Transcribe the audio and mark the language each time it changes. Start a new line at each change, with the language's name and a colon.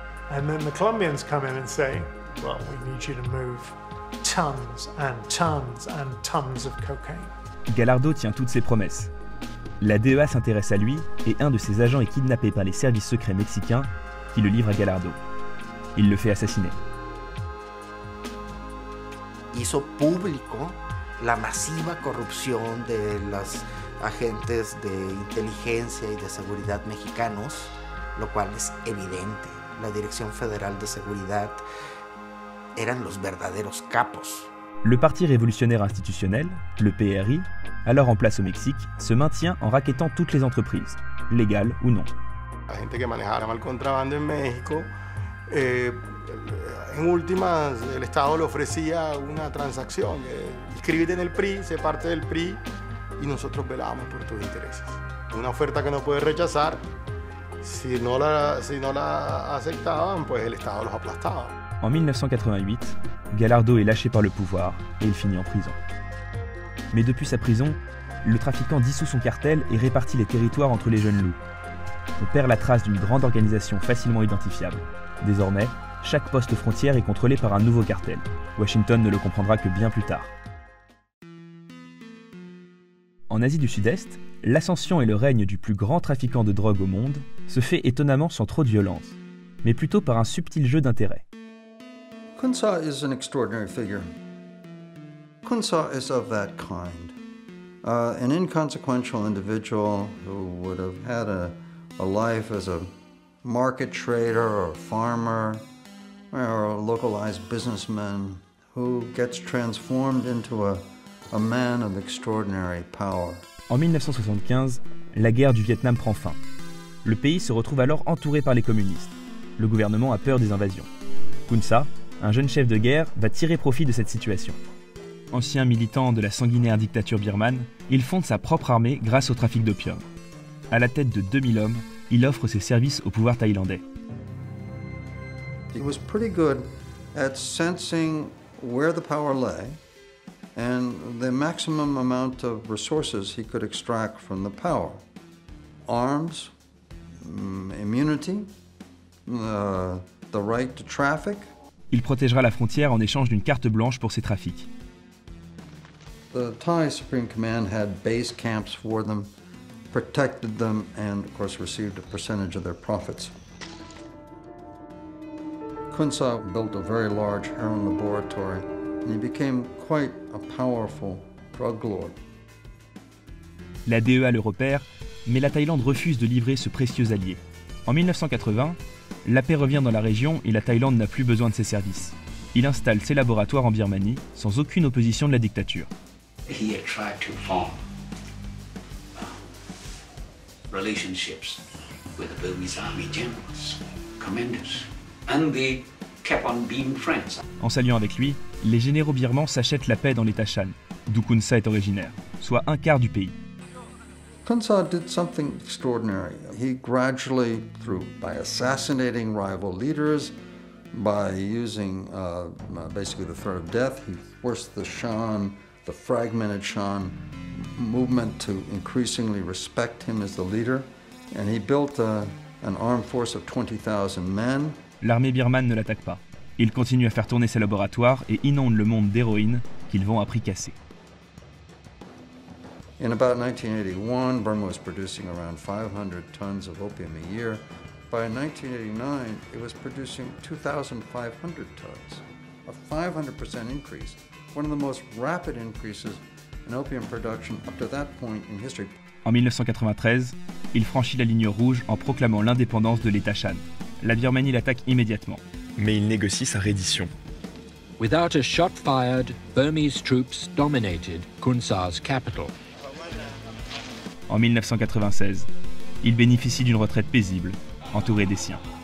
English: And then the Colombians come in and say, well, we need you to move tons and tons and tons of cocaine.
French: Gallardo tient toutes ses promesses. La DEA s'intéresse à lui et un de ses agents est kidnappé par les services secrets mexicains qui le livrent à Gallardo. Il le fait assassiner.
Spanish: Hizo público la masiva corrupción de los agentes de inteligencia y de seguridad mexicanos, lo cual es evidente. La Dirección Federal de Seguridad eran los verdaderos capos.
French: Le Parti Révolutionnaire Institutionnel, le PRI, alors en place au Mexique, se maintient en raquettant toutes les entreprises, légales ou non.
Spanish: La gente que manejaba el contrabando en México, en últimas, el Estado le ofrecía una transacción. Inscríbete en el PRI, sé parte del PRI y nosotros velábamos por tus intereses. Una oferta que no puedes rechazar, si no la aceptaban, pues el Estado los aplastaba.
French: En 1988, Gallardo est lâché par le pouvoir et il finit en prison. Mais depuis sa prison, le trafiquant dissout son cartel et répartit les territoires entre les jeunes loups. On perd la trace d'une grande organisation facilement identifiable. Désormais, chaque poste frontière est contrôlé par un nouveau cartel. Washington ne le comprendra que bien plus tard. En Asie du Sud-Est, l'ascension et le règne du plus grand trafiquant de drogue au monde se fait étonnamment sans trop de violence, mais plutôt par un subtil jeu d'intérêts.
English: Kunsa is an extraordinary figure. Kunsa is of that kind. An inconsequential individual who would have had a life as a market trader or farmer or a localized businessman who gets transformed into a man of extraordinary power.
French: En 1975, la guerre du Vietnam prend fin. Le pays se retrouve alors entouré par les communistes. Le gouvernement a peur des invasions. Kunsa, un jeune chef de guerre, va tirer profit de cette situation. Ancien militant de la sanguinaire dictature birmane, il fonde sa propre armée grâce au trafic d'opium. À la tête de 2000 hommes, il offre ses services au pouvoir thaïlandais.
English: He was pretty good at sensing where the power lay and the maximum amount of resources he could extract from the power. Arms, immunity, the right to traffic.
French: Il protégera la frontière en échange d'une carte blanche pour ses trafics.
English: The Thai Supreme Command had base camps for them, protected them, and of course received a percentage of their profits. Kunsa built a very large heroin laboratory, and he became quite a powerful drug lord.
French: La DEA le repère, mais la Thaïlande refuse de livrer ce précieux allié. En 1980, la paix revient dans la région et la Thaïlande n'a plus besoin de ses services. il installe ses laboratoires en Birmanie sans aucune opposition de la dictature.
English: He had tried to form relationships with the Burmese army generals, commanders, and they kept on being friends.
French: En s'alliant avec lui, les généraux birmans s'achètent la paix dans l'état Shan, d'où Khunsa est originaire, soit un quart du pays.
English: Khunsa did something extraordinary. He gradually, through by assassinating rival leaders, by using basically the threat of death, he forced the Shan, the fragmented Shan movement, to increasingly respect him as the leader, and he built an armed force of 20,000 men.
French: L'armée birmane ne l'attaque pas. Il continue à faire tourner ses laboratoires et inonde le monde d'héroïne qu'ils vont à prix cassé.
English: In about 1981, Burma was producing around 500 tons of opium a year. By 1989, it was producing 2,500 tons, a 500% increase, one of the most rapid increases in opium production up to that point in history.
French: En 1993, il franchit la ligne rouge en proclamant l'indépendance de l'État Shan. La Birmanie l'attaque immédiatement. Mais il négocie sa reddition.
English: Without a shot fired, Burmese troops dominated Khunsa's capital.
French: En 1996, il bénéficie d'une retraite paisible, entouré des siens.